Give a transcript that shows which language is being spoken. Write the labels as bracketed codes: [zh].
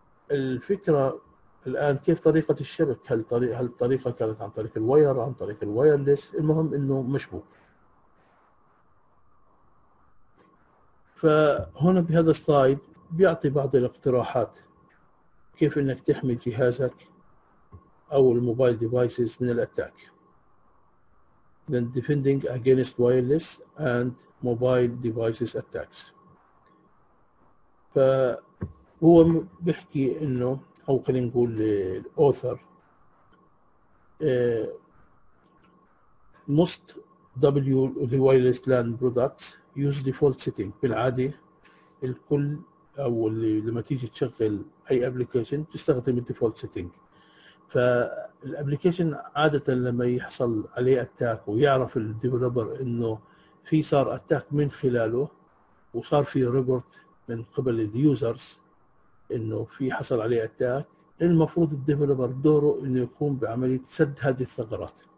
[ar] الفكرة الآن كيف طريقة الشبك؟ هل الطريقة كانت عن طريق الواير، عن طريق الوايرلس؟ المهم إنه مشبوك. فهنا بهذا السلايد بيعطي بعض الاقتراحات كيف إنك تحمي جهازك أو الموبايل ديفايسز من الأتاك. [en] Then defending against wireless and mobile devices attacks. [ar] فهو بيحكي إنه أو خلينا نقول الأوثر [en] most W wireless LAN products use default setting. [ar] بالعادة الكل أو اللي لما تيجي تشغل أي application تستخدم [en] default setting. [ar] فالابليكيشن عادة لما يحصل عليه attack ويعرف الديفلوبر إنه في صار attack من خلاله وصار في report من قبل اليوزرز إنه في حصل عليه attack، المفروض الديفلوبر دوره انه يقوم بعملية سد هذه الثغرات.